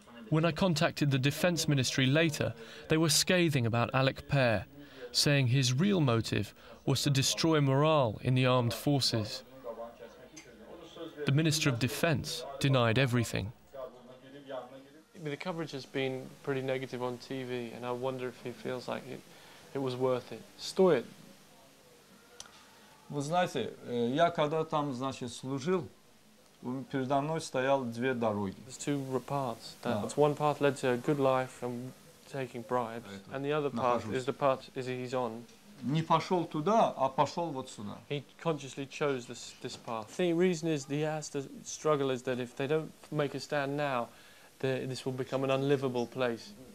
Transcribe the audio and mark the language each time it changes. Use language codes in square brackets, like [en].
[en] When I contacted the defense ministry later, they were scathing about Alekper, saying his real motive was to destroy morale in the armed forces. The Minister of Defense denied everything. The coverage has been pretty negative on TV, and I wonder if he feels like it was worth it. [ru] Стоит. Вы знаете, я когда там, значит, служил, передо мной стоял две дороги. [en] There's two paths. That's one path led to a good life and taking bribes, and the other path is the path he's on. [ru] Не пошел туда, а пошел вот сюда. [en] He consciously chose this path. The reason is he has to struggle is that if they don't make a stand now, this will become an unlivable place.